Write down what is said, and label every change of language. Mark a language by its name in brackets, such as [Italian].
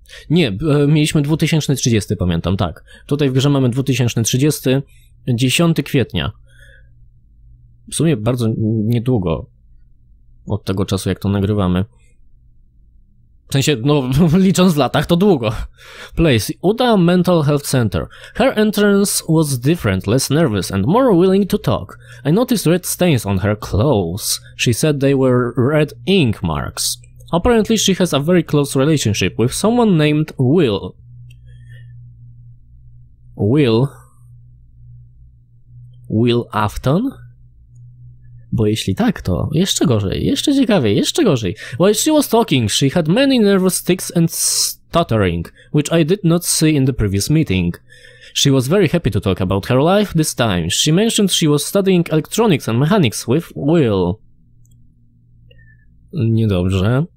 [Polish] Nie, mieliśmy 2030, pamiętam, tak. Tutaj w grze mamy 2030. 10 kwietnia. W sumie bardzo niedługo od tego czasu, jak to nagrywamy. W sensie, no, licząc w latach, to długo. [English] Place. UDA Mental Health Center. Her entrance was different, less nervous and more willing to talk. I noticed red stains on her clothes. She said they were red ink marks. Apparently she has a very close relationship with someone named Will. Will? Will Afton? [Polish] Bo jeśli tak, to jeszcze gorzej, jeszcze ciekawiej, jeszcze gorzej. [English] While she was talking, she had many nervous tics and stuttering, which I did not see in the previous meeting. She was very happy to talk about her life this time. She mentioned she was studying electronics and mechanics with Will. [Polish] Niedobrze.